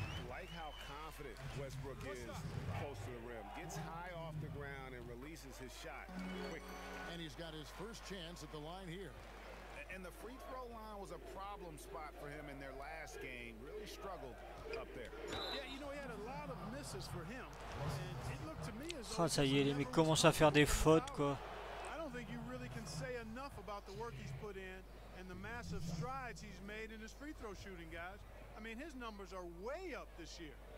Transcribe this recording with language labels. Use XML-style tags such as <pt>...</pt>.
<en>Like how confident Westbrook is close to the rim. Gets high off the ground and releases his shot quickly. And he's got his first chance at the line here. And the free throw line was a problem spot for him in their last game. Really struggled up there. Yeah, you know, he had a lot of misses for him. And it looked to me as</en> <fr>oh, ça y est, les mecs commencent à faire des fautes, quoi.</fr> <en>I don't think you really can say enough about the work he's put in and the massive strides he's made in his free throw shooting, guys. I mean, his numbers are way up this year.</en>